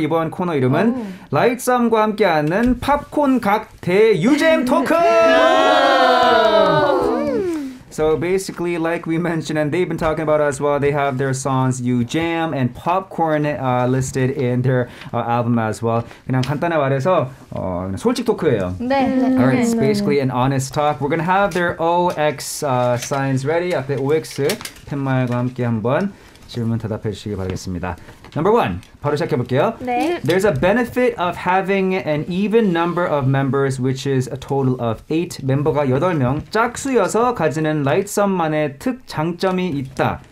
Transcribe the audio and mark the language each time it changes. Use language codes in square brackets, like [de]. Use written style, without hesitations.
[ko] 이번 코너 이름은 Lightsome과 함께하는 팝콘 각 대유잼 토크! [en] So basically, like we mentioned, and they've been talking about as well, they have their songs You Jam and Popcorn listed in their album as well. [ko] 그냥 간단히 말해서 그냥 솔직 토크예요. 네. [en] All right, it's basically an honest talk. We're going to have their OX signs ready. [ko] 앞에 OX 팻말과 함께 한번 질문 대답해 주시기 바라겠습니다. [en] Number one, [ko] 바로 시작해 볼게요. 네. [en] There's a benefit of having an even number of members, which is a total of 8. [ko] 멤버가 8명, 짝수여서 가지는 라이트썸만의 특 장점이 있다.